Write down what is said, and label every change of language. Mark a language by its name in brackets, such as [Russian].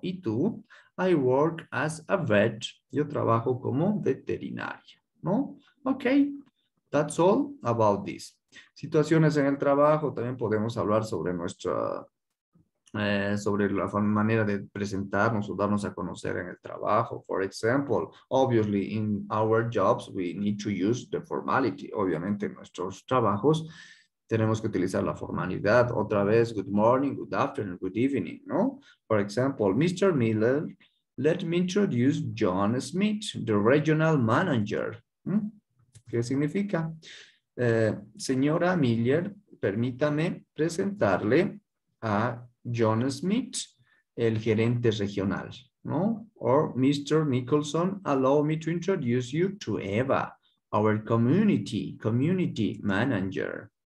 [Spanish] Y tú, [English] I work as a vet. [Spanish] Yo trabajo como veterinaria, ¿no? Ok. [English] That's all about this. [Spanish] Situaciones en el trabajo, también podemos hablar sobre nuestra, sobre la manera de presentarnos o darnos a conocer en el trabajo. [English] For example, obviously in our jobs we need to use the formality. [Spanish] Obviamente en nuestros trabajos tenemos que utilizar la formalidad. Otra vez, [English] good morning, good afternoon, good evening, ¿no? For example, Mr. Miller, let me introduce John Smith, the regional manager. [Spanish] ¿Qué significa? Señora Miller, permítame presentarle a John Smith, el gerente regional, ¿no? [English] Or, Mr. Nicholson, allow me to introduce you to Eva, our community manager.